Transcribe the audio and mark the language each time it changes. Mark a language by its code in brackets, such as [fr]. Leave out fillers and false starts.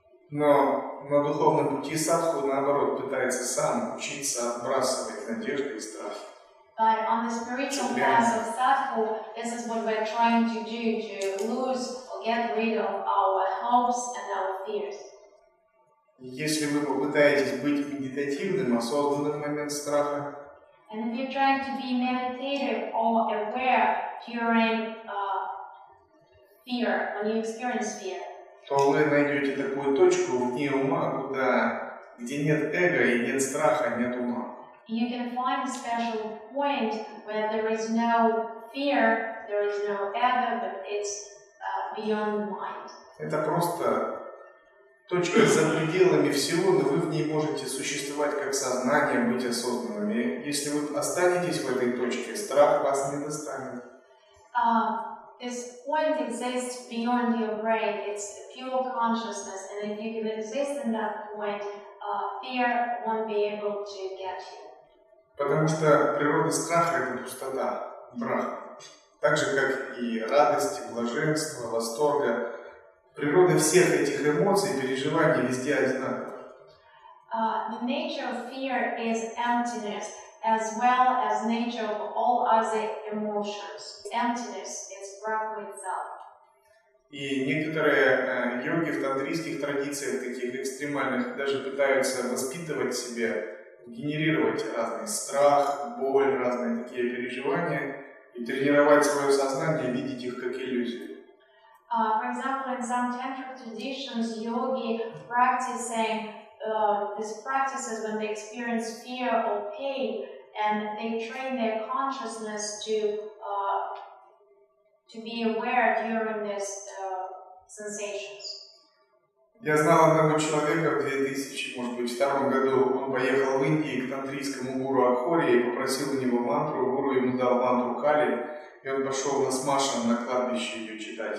[ru] Но на духовном пути садху, наоборот, пытается сам учиться отбрасывать надежды и страхи. [en] But on the spiritual path of садху, this is what we're trying to do, to lose or get rid of our hopes and our fears. [ru] Если вы попытаетесь быть медитативным, осознанным в момент страха, [en] and if you're trying to be meditative or aware during fear, when you experience fear, [ru] то вы найдете такую точку вне ума, где нет эго и нет страха, нет ума. [en] You can find a special point where there is no fear, there is no ego, but it's beyond mind. [ru] Это просто точка за пределами всего, но вы в ней можете существовать как сознание, быть осознанными. Если вы останетесь в этой точке, страх вас не достанет. [en] This point exists beyond your brain. It's pure consciousness. And if you can exist in that point, fear won't be able to get you. [ru] Потому что природа страха — это пустота, брахма. Так же, как и радость, блаженство, восторга. Природа всех этих эмоций, переживаний везде одинаковая. [en] The nature of fear is emptiness, as well as nature of all other emotions. Emptiness is Brahma itself. [ru] И некоторые йоги в тантрийских традициях, таких экстремальных, даже пытаются воспитывать себя, генерировать разный страх, боль, разные такие переживания и тренировать свое сознание, видеть их как иллюзию. [en] For example, in some tantric traditions, yogi practicing these practices when they experience fear or pain, and they train their consciousness to be aware during these sensations. [ru] Я знал одного человека в 2000, может быть, в том году. Он поехал в Индию к тантрийскому гуру Ахори и попросил у него мантру. Гуру ему дал мантру Кали, и он пошел на смашан на кладбище ее читать.